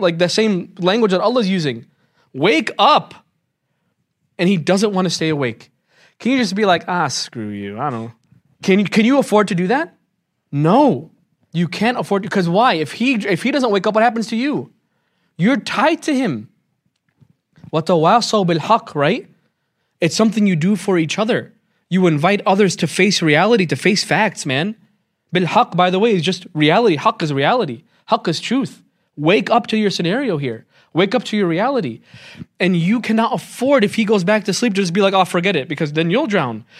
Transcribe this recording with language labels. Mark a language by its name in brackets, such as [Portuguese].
[English] Like the same language that Allah is using. Wake up. And he doesn't want to stay awake. Can you just be like, ah, screw you, I don't know. Can you afford to do that? No. You can't afford to, because why? If he doesn't wake up, what happens to you? You're tied to him. [Arabic] وَتَوَاصَوْا بِالْحَقِّ, [English] right? It's something you do for each other. You invite others to face reality, to face facts, man. Bilhaq, by the way, is just reality. Haq is reality. Haq is truth. Wake up to your scenario here. Wake up to your reality. And you cannot afford, if he goes back to sleep, to just be like, oh, forget it, because then you'll drown.